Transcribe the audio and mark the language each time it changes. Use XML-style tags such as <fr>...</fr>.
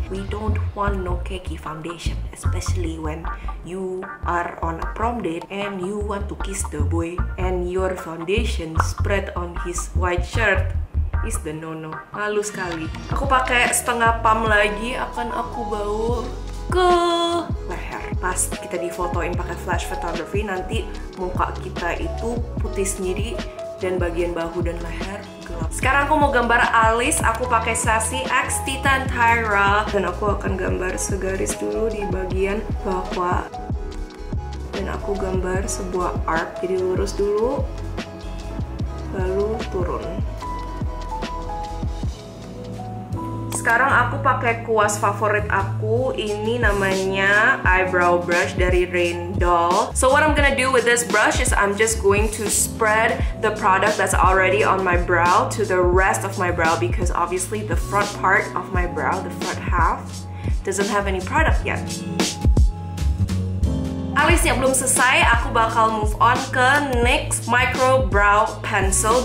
<en>We don't want no cakey foundation, especially when you are on a prom date and you want to kiss the boy and your foundation spread on his white shirt is the no-no.</en> <id>Malu sekali. Aku pakai setengah pump lagi, akan aku bawa ke leher. Pas kita difotoin pakai flash photography, nanti muka kita itu putih sendiri dan bagian bahu dan leher. Sekarang aku mau gambar alis, aku pakai Sassy X Titan Tyra. Dan aku akan gambar segaris dulu di bagian bawah. Dan aku gambar sebuah arc, jadi lurus dulu, lalu turun. Sekarang aku pakai kuas favorit aku, ini namanya Eyebrow Brush dari Rain Doll.</id> <en>So what I'm gonna do with this brush is I'm just going to spread the product that's already on my brow to the rest of my brow, because obviously the front part of my brow, the front half, doesn't have any product yet.</en> <id>Alisnya belum selesai, aku bakal move on ke NYX Micro Brow Pencil.</id>